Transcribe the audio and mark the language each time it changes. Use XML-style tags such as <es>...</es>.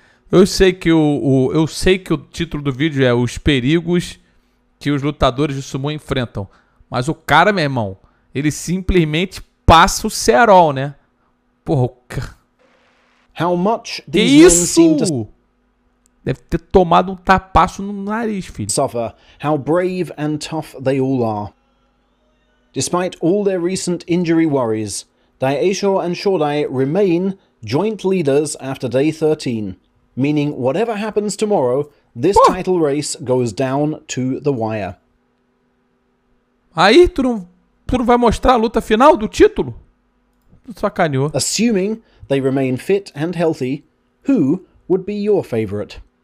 <pt>Eu sei que eu sei que o título do vídeo é os perigos que os lutadores de sumo enfrentam, mas o cara, meu irmão, ele simplesmente passa o cerol, né? Porra.</pt> <en>How much these men seem to...</en> <pt>Deve ter tomado um tapaço no nariz, filho.</pt> <en>Suffer. How brave and tough they all are. Despite all their recent injury worries, Daisho and Shodai remain joint leaders after day 13. Meaning, whatever happens tomorrow, this pô. Title race goes down to the wire.</en> <pt>Aí, tu não vai mostrar a luta final do título? Tu sacaneou.</pt> <en>Assuming they remain fit and healthy, who would be your favorite?</en>